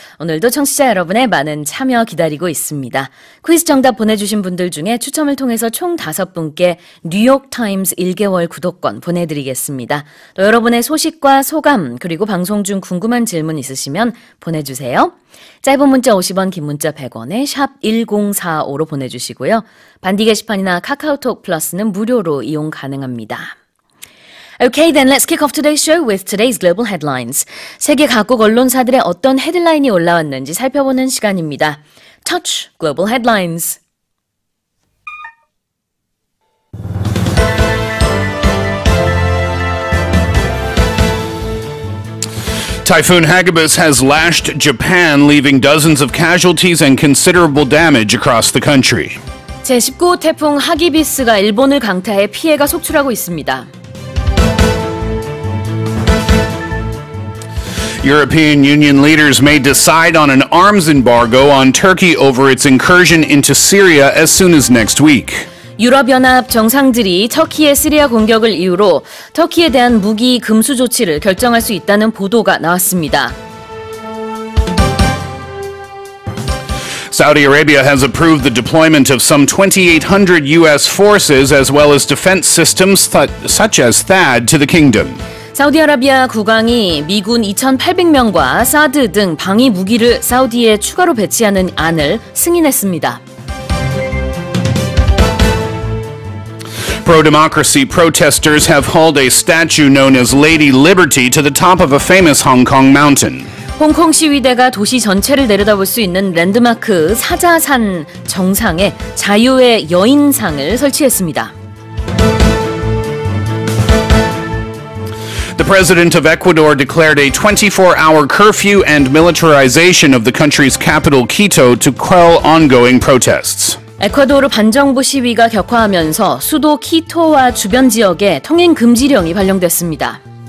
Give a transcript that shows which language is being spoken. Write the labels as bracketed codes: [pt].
[ko] 오늘도 청취자 여러분의 많은 참여 기다리고 있습니다. 퀴즈 정답 보내주신 분들 중에 추첨을 통해서 총 5분께 뉴욕타임스 1개월 구독권 보내드리겠습니다. 또 여러분의 소식과 소감, 그리고 방송 중 궁금한 질문 있으시면 보내주세요. 짧은 문자 50원, 긴 문자 100원에 샵 1045로 보내주시고요. 반디 게시판이나 카카오톡 플러스는 무료로 이용 가능합니다. [en] Okay, then let's kick off today's show with today's global headlines. [ko] 세계 각국 언론사들의 어떤 헤드라인이 올라왔는지 살펴보는 시간입니다. [en] Touch global headlines. Typhoon Hagibis has lashed Japan, leaving dozens of casualties and considerable damage across the country. [ko] 제19호 태풍 하기비스가 일본을 강타해 피해가 속출하고 있습니다. [en] European Union leaders may decide on an arms embargo on Turkey over its incursion into Syria as soon as next week. [ko] 유럽연합 정상들이 터키의 시리아 공격을 이유로 터키에 대한 무기 금수 조치를 결정할 수 있다는 보도가 나왔습니다. [en] Saudi Arabia has approved the deployment of some 2,800 U.S. forces as well as defense systems such as THAAD to the kingdom. [ko] 사우디아라비아 국왕이 미군 2,800명과 사드 등 방위 무기를 사우디에 추가로 배치하는 안을 승인했습니다. [en] Pro-democracy protesters have hauled a statue known as Lady Liberty to the top of a famous Hong Kong mountain. [ko] 홍콩 시위대가 도시 전체를 내려다볼 수 있는 랜드마크 사자산 정상에 자유의 여인상을 설치했습니다. [en] The president of Ecuador declared a 24-hour curfew and militarization of the country's capital, Quito, to quell ongoing protests. [ko] 에콰도르 반정부 시위가 격화하면서 수도 키토와 주변 지역에 통행 금지령이 발령됐습니다.